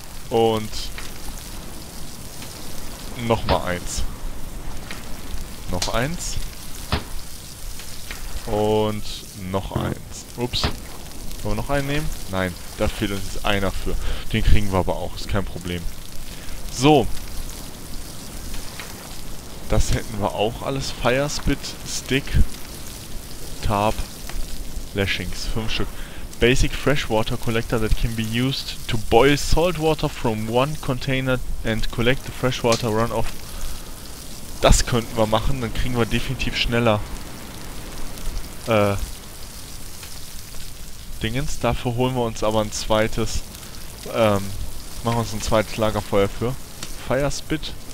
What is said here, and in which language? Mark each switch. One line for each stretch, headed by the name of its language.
German: Und nochmal eins. Noch eins. Und noch eins. Ups. Wollen wir noch einen nehmen? Nein, da fehlt uns jetzt einer für. Den kriegen wir aber auch, ist kein Problem. So. Das hätten wir auch alles. Firespit, Stick, Tarp, Lashings. Fünf Stück.
English: Basic Freshwater Collector that can be used to boil salt water from one container and collect the freshwater runoff.
German: Das könnten wir machen, dann kriegen wir definitiv schneller. Dingens. Dafür holen wir uns aber ein zweites. Machen wir uns ein zweites Lagerfeuer für.
English: Firespit.